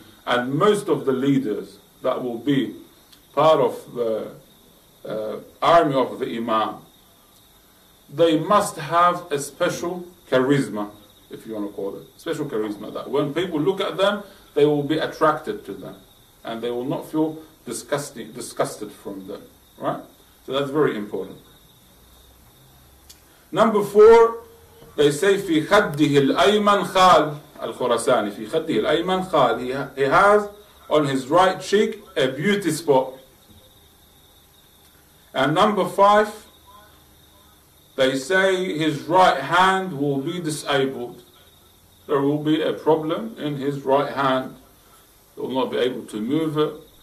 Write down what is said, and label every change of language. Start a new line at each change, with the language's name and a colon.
English: And most of the leaders that will be part of the army of the Imam, they must have a special charisma, if you want to call it, special charisma, that when people look at them, they will be attracted to them and they will not feel disgusted from them, right? So that's very important. Number four, they say
Arabic: في خده الأيمن خال الخراساني في خده الأيمن خال.
English: He has on his right cheek a beauty spot. And number five, they say his right hand will be disabled. There will be a problem in his right hand. He will not be able to move it.